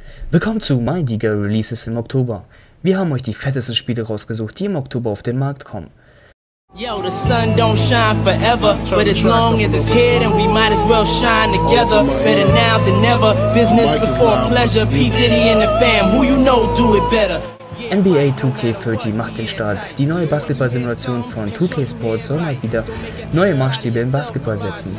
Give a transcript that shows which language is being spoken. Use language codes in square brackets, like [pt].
[de] Willkommen zu MyDiga Releases im Oktober. Wir haben euch die fettesten Spiele rausgesucht, die im Oktober auf den Markt kommen. [en] Yo, the sun don't shine forever, but as long as it's here, then we might as well shine together. Better now than never, business before pleasure, P. Diddy and the fam, who you know do it better. [de] NBA 2K30 macht den Start. Die neue Basketball-Simulation von 2K Sports soll mal wieder neue Maßstäbe im Basketball setzen.